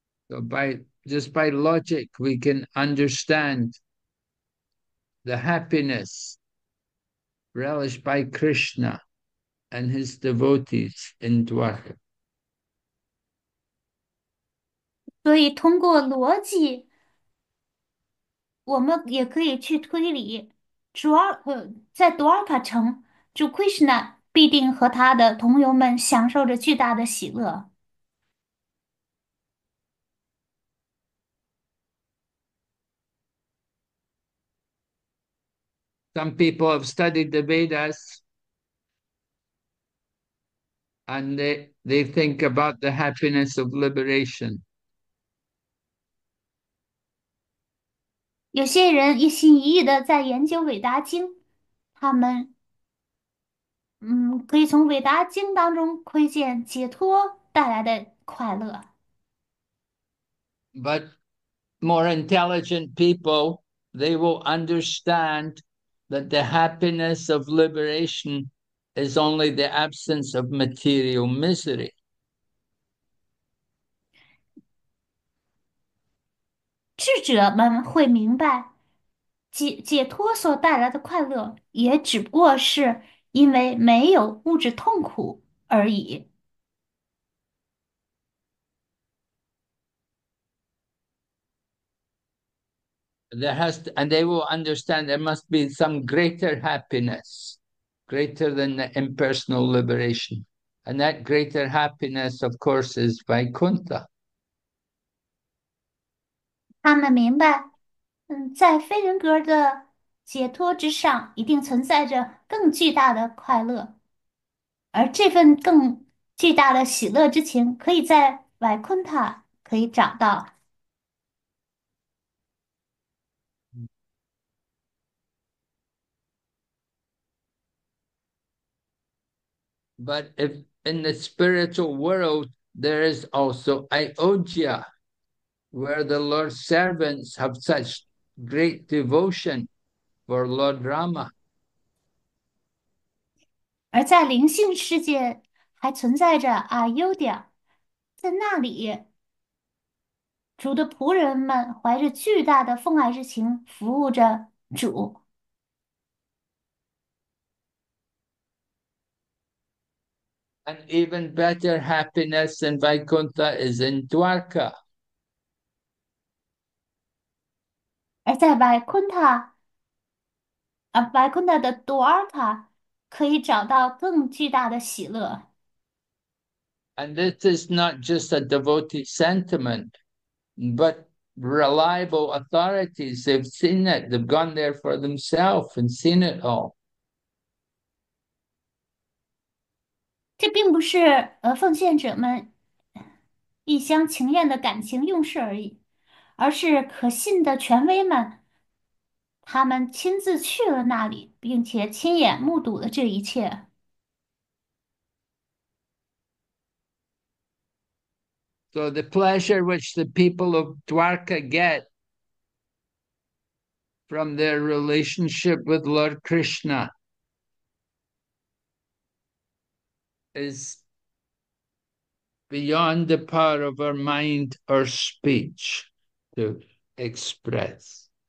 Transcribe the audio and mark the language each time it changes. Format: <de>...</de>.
<en>So just by logic, we can understand the happiness relished by Krishna and his devotees in Dwarka.</en> <zh>所以，通过逻辑，我们也可以去推理，在多尔卡城，主 Krishna 必定和他的同游们享受着巨大的喜乐。</zh> <en>Some people have studied the Vedas and they think about the happiness of liberation.</en> <zh>有些人一心一意的在研究伟达经，他们，可以从伟达经当中窥见解脱带来的快乐。</zh> <en>But more intelligent people, they will understand that the happiness of liberation is only the absence of material misery.</en> <zh>智者们会明白。解脱所带来的快乐，也只不过是因为没有物质痛苦而已。</zh> <en>And they will understand there must be some greater happiness, greater than the impersonal liberation. And that greater happiness, of course, is Vaikuntha.</en> <zh>他们明白。在非人格的解脱之上，一定存在着更巨大的快乐，而这份更巨大的喜乐之情，可以在瓦昆塔可以找到。</zh> <en>But if in the spiritual world, there is also Ayodhya, where the Lord's servants have such great devotion for Lord Rama.</en> <zh>而在灵性世界，还存在着阿尤迪亚，在那里，主的仆人们怀着巨大的奉爱之情服务着主。</zh> <en>And even better happiness than Vaikuntha is in Dwarka.</en> <zh>而在白昆塔的多尔塔，可以找到更巨大的喜乐。</zh> <en>And this is not just a devotee sentiment, but reliable authorities. They've seen it, they've gone there for themselves and seen it all.</en> <zh>这并不是奉献者们一厢情愿的感情用事而已，而是可信的权威们，他们亲自去了那里，并且亲眼目睹了这一切。</zh> <en>So the pleasure which the people of Dwarka get from their relationship with Lord Krishna is beyond the power of our mind or speech to express.</en>